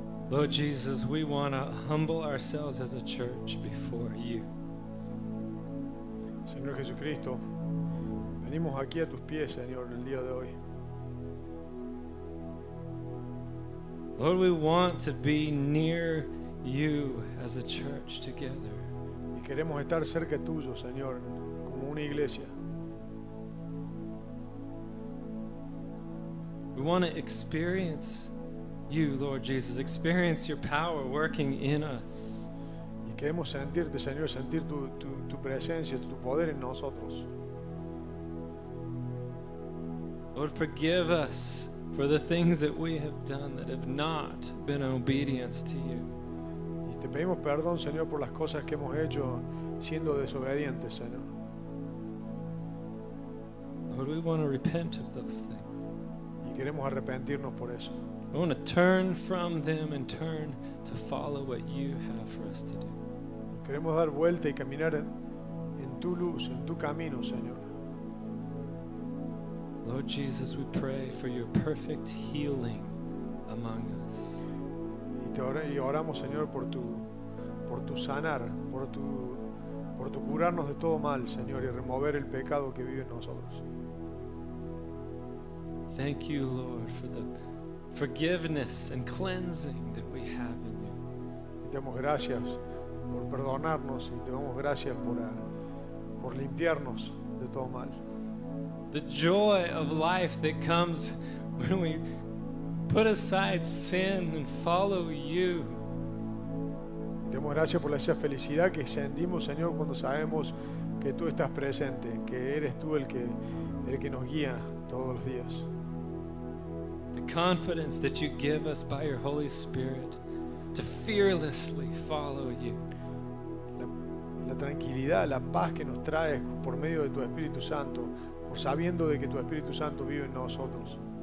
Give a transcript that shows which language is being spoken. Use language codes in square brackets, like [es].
[en] Lord Jesus, we want to humble ourselves as a church before you. [es] Señor Jesucristo, venimos aquí a tus pies, Señor, el día de hoy. [en] Lord, we want to be near you as a church together. [es] Y queremos estar cerca tuyo, Señor, como una iglesia. [en] We want to experience you, Lord Jesus, experience your power working in us. [es] Y queremos sentirte, Señor, sentir tu presencia, tu poder en nosotros. [en] Lord, forgive us for the things that we have done that have not been obedience to you. [es] Y te pedimos perdón, Señor, por las cosas que hemos hecho siendo desobedientes, Señor. [en] Lord, we want to repent of those things. [es] Y queremos arrepentirnos por eso. [en] We want to turn from them and turn to follow what you have for us to do. [es] Queremos dar vuelta y caminar en tu luz, en tu camino, Señor. [en] Lord Jesus, we pray for your perfect healing among us. [es] Y oramos, Señor, por tu sanar, por tu curarnos de todo mal, Señor, y remover el pecado que vive en nosotros. [en] Thank you, Lord, for the forgiveness and cleansing that we have in you. [es] Te damos gracias por perdonarnos y te damos gracias por limpiarnos de todo mal. [en] The joy of life that comes when we put aside sin and follow you. [es] Te damos gracias por esa felicidad que sentimos, Señor, cuando sabemos que tú estás presente, que eres tú el que nos guía todos los días. [en] The confidence that you give us by your Holy Spirit to fearlessly follow you. [es] La tranquilidad, la paz que nos traes por medio de tu Espíritu Santo, por sabiendo de que tu Espíritu Santo vive en nosotros.